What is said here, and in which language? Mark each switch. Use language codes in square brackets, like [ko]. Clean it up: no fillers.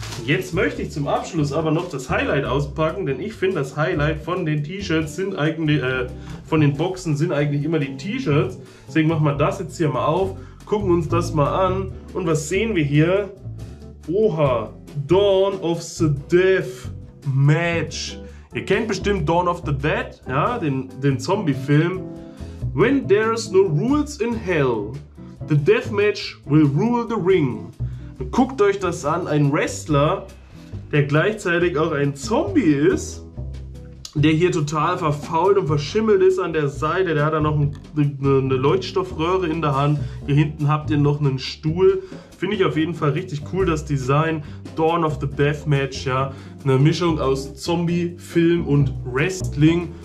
[de] Jetzt möchte ich zum Abschluss aber noch das Highlight auspacken, denn ich finde, das Highlight von den T-Shirts sind eigentlich, von den Boxen sind eigentlich immer die T-Shirts. Deswegen machen wir das jetzt hier mal auf, gucken uns das mal an. Und was sehen wir hier? Oha, Dawn of the Death Match. Ihr kennt bestimmt Dawn of the Dead, ja, den Zombie-Film. [en] When there's no rules in hell, the deathmatch will rule the ring. [de] Guckt euch das an, ein Wrestler, der gleichzeitig auch ein Zombie ist, der hier total verfault und verschimmelt ist an der Seite, der hat da noch eine Leuchtstoffröhre in der Hand, hier hinten habt ihr noch einen Stuhl. Finde ich auf jeden Fall richtig cool, das Design. Dawn of the Deathmatch, ja, eine Mischung aus Zombie, Film und Wrestling.